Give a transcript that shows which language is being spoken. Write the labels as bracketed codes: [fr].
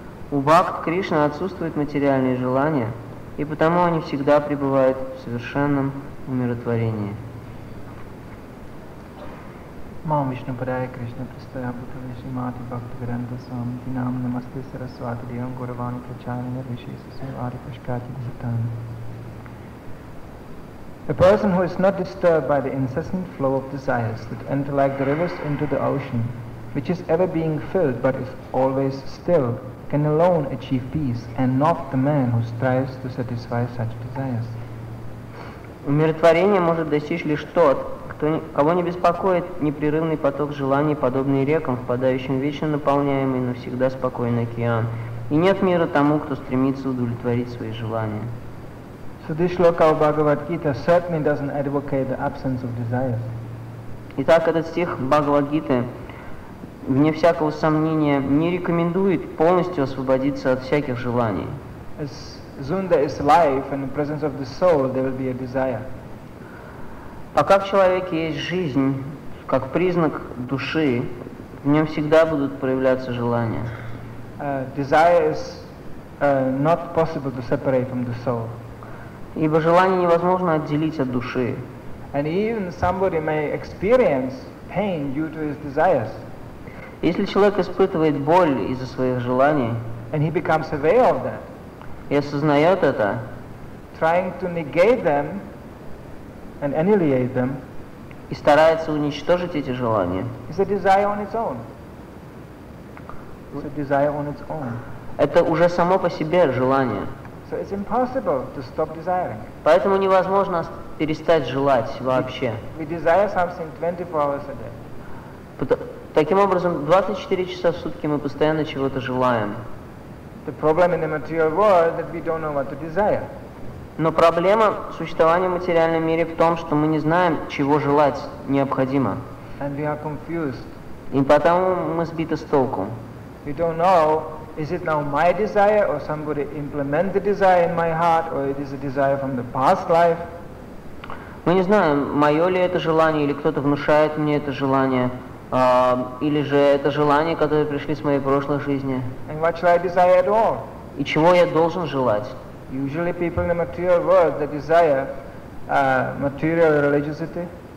[ru] У Бхакт Кришны отсутствуют материальные желания, и потому они всегда пребывают в совершенном умиротворении. Мам Вишну Падая Кришна Пристая Бута Вишимати Бхакта Гранда Свами Динам Намасте Сарасвати Девам Гуравани Прачарани Риши Сусивари Пашкати Дзитан. [en] A person who is not disturbed by the incessant flow of desires that enter like the rivers into the ocean, which is ever being filled but is always still, can alone achieve peace, and not the man who strives to satisfy such desires. [ru] Умиротворение может достичь лишь тот, кого не беспокоит непрерывный поток желаний, подобный рекам, впадающим в вечно наполняемый, но всегда спокойный океан. И нет мира тому, кто стремится удовлетворить свои желания. [en] So this shloka of Bhagavad Gita certainly doesn't advocate the absence of desires. [ru] Итак, этот стих Бхагавад Гиты, вне всякого сомнения, не рекомендует полностью освободиться от всяких желаний. [en] As soon there is life and the presence of the soul, there will be a desire. [ru] Пока в человеке есть жизнь, как признак души, в нем всегда будут проявляться желания. [en] Desire is not possible to separate from the soul. [ru] Ибо желание невозможно отделить от души. [en] And even somebody may experience pain due to his desires. [ru] Если человек испытывает боль из-за своих желаний, [en] and he becomes aware of that, [ru] и осознает это, [en] trying to negate them, and annihilate them, [ru] и старается уничтожить эти желания. [en] It's a desire on its own. It's a desire on its own. [ru] Это уже само по себе желание. [en] So it's impossible to stop desiring. [ru] Поэтому невозможно перестать желать вообще. [en] We desire something 24 hours a day. [ru] Таким образом, 24 часа в сутки мы постоянно чего-то желаем. [en] The problem in the material world is that we don't know what to desire. [ru] Но проблема существования в материальном мире в том, что мы не знаем, чего желать необходимо. [en] And we are confused. [ru] И потому мы сбиты с толку. [en] We don't know, is it now my desire, or somebody implement the desire in my heart, or it is a desire from the past life? [ru] Мы не знаем, мое ли это желание, или кто-то внушает мне это желание, или же это желание, которое пришло с моей прошлой жизни. [en] And what shall I desire at all? [ru] И чего я должен желать? [en] Usually people in the material world, they desire material religiosity.